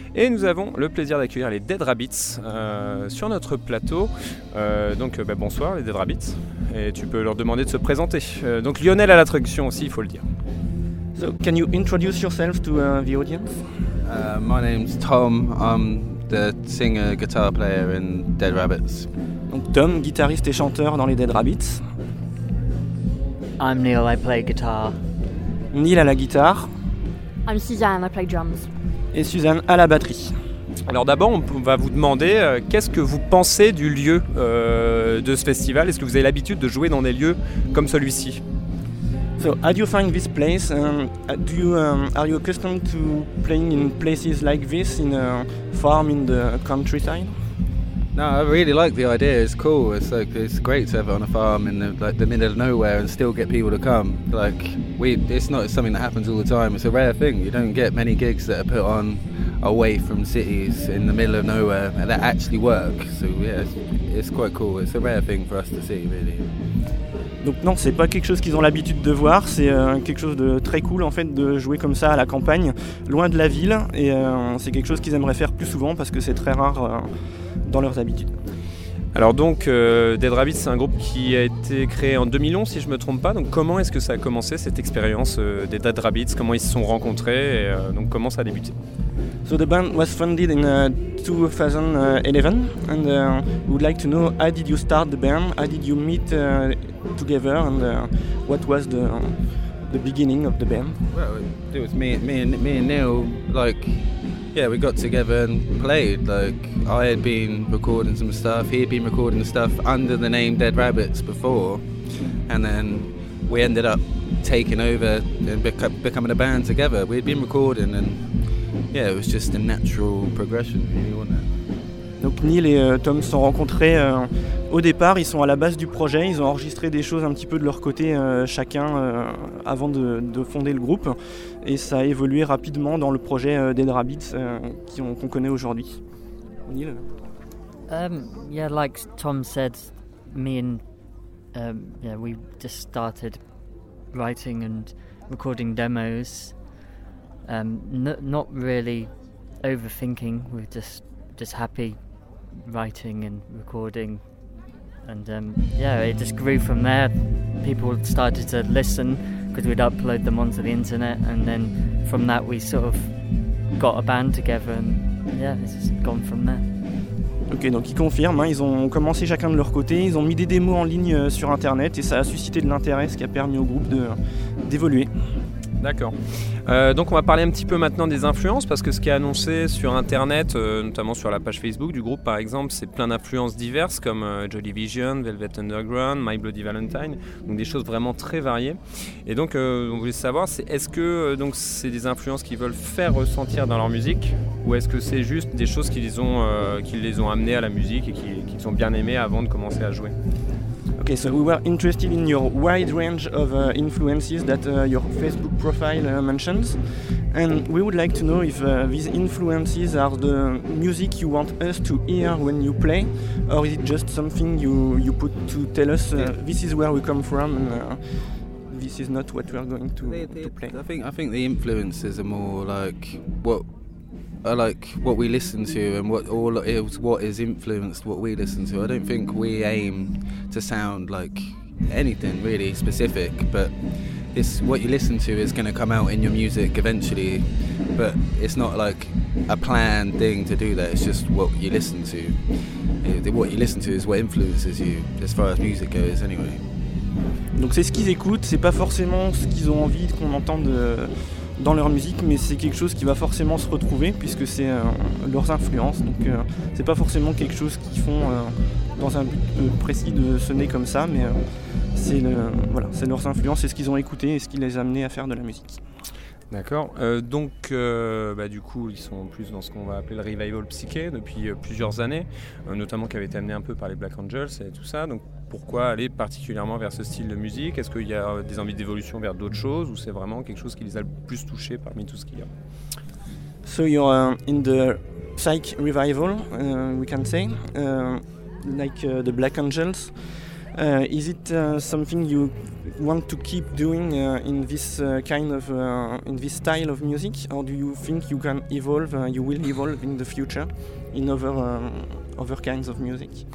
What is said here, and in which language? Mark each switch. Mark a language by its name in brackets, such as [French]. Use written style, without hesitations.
[French] Et nous avons le plaisir d'accueillir les Dead Rabbits sur notre plateau. Bonsoir les Dead Rabbits, et tu peux leur demander de se présenter. Donc Lionel à la traduction aussi, il faut le dire. [English] So, can you introduce yourself to the audience? My name's Tom, I'm the singer, guitar player in Dead Rabbits. Donc Tom, guitariste et chanteur dans les Dead Rabbits. I'm Neil, I play guitar. Neil à la guitare. I'm Suzanne, I play drums. Et Suzanne à la batterie. Alors d'abord, on va vous demander qu'est-ce que vous pensez du lieu de ce festival. Est-ce que vous avez l'habitude de jouer dans des lieux comme celui-ci? So, how do you find this place? Are you accustomed to playing in places like this, in a farm in the countryside? No, I really like the idea. It's cool. It's like it's great to have it on a farm in the middle of nowhere and still get people to come. Like it's not something that happens all the time. It's a rare thing. You don't get many gigs that are put on away from cities in the middle of nowhere and that actually work. So yeah, it's quite cool. It's a rare thing for us to see, really. [French] Donc non, c'est pas quelque chose qu'ils ont l'habitude de voir. C'est quelque chose de très cool en fait de jouer comme ça à la campagne, loin de la ville. Et c'est quelque chose qu'ils aimeraient faire plus souvent parce que c'est très rare. Dans leurs habitudes. Alors donc, Dead Rabbits, c'est un groupe qui a été créé en 2011, si je ne me trompe pas. Donc comment est-ce que ça a commencé, cette expérience des Dead Rabbits? Comment ils se sont rencontrés et donc comment ça a débuté? [English] So the band was founded in 2011. And we would like to know, how did you start the band? How did you meet together? And what was the beginning of the band? Well, it was me and Neil, like... Yeah, we got together and played. Like, I had been recording some stuff, he had been recording stuff under the name Dead Rabbits before, and then we ended up taking over and becoming a band together. We'd been recording and, yeah, it was just a natural progression, really, wasn't it? [French] Donc Neil et Tom se sont rencontrés au départ, ils sont à la base du projet, ils ont enregistré des choses un petit peu de leur côté chacun avant de fonder le groupe. Et ça a évolué rapidement dans le projet Dead Rabbits qu'on connaît aujourd'hui. Neil? [English] Yeah, like Tom said, me and we just started writing and recording demos. Not really overthinking, we're just happy writing and recording, and it just grew from there. People started to listen because we'd upload them onto the internet, and then from that we sort of got a band together, and it's just gone from there. [French] Ok, donc ils confirment, hein, ils ont commencé chacun de leur côté, ils ont mis des démos en ligne sur internet et ça a suscité de l'intérêt, ce qui a permis au groupe d'évoluer. D'accord. Donc on va parler un petit peu maintenant des influences, parce que ce qui est annoncé sur internet, notamment sur la page Facebook du groupe par exemple, c'est plein d'influences diverses comme Joy Division, Velvet Underground, My Bloody Valentine, donc des choses vraiment très variées. Et donc on voulait savoir, est-ce que c'est des influences qu'ils veulent faire ressentir dans leur musique, ou est-ce que c'est juste des choses qui les ont amenées à la musique et qu'ils ont bien aimé avant de commencer à jouer? [English] Okay, so we were interested in your wide range of influences that your Facebook profile mentions. And we would like to know if these influences are the music you want us to hear when you play, or is it just something you put to tell us this is where we come from and this is not what we are going to play? I think the influences are more like what we listen to and what is influenced what we listen to. I don't think we aim to sound like anything really specific, but this what you listen to is going to come out in your music eventually, but it's not like a planned thing to do that. It's just what you listen to. What you listen to is what influences you as far as music goes anyway. [French] Donc c'est ce qu'ils écoutent, c'est pas forcément ce qu'ils ont envie qu'on entende dans leur musique, mais c'est quelque chose qui va forcément se retrouver puisque c'est leurs influences, donc c'est pas forcément quelque chose qu'ils font dans un but précis de sonner comme ça, mais c'est leurs influences, c'est ce qu'ils ont écouté et ce qui les a amenés à faire de la musique. D'accord, du coup ils sont plus dans ce qu'on va appeler le revival psyché depuis plusieurs années, notamment qui avait été amené un peu par les Black Angels et tout ça, donc pourquoi aller particulièrement vers ce style de musique? Est-ce qu'il y a des envies d'évolution vers d'autres choses, ou c'est vraiment quelque chose qui les a le plus touchés parmi tout ce qu'il y a? [English] So you're in the psych revival, we can say, like the Black Angels. Is it something you want to keep doing in this kind of in this style of music, or do you think you can evolve, you will evolve in the future, in other kinds of music?